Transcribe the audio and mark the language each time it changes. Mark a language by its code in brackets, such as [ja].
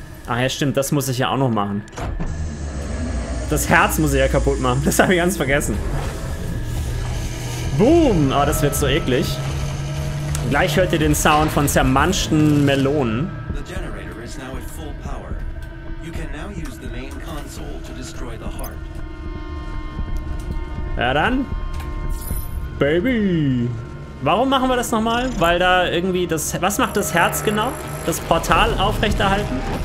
[de] Ach ja, stimmt, das muss ich ja auch noch machen. Das Herz muss ich ja kaputt machen. Das habe ich ganz vergessen. Boom! Oh, das wird so eklig. Gleich hört ihr den Sound von zermanschten Melonen. [en] The generator is now at full power. You can now use the main console to destroy the heart. [de] Ja dann. Baby! Warum machen wir das nochmal? Weil da irgendwie das... Was macht das Herz genau? Das Portal aufrechterhalten?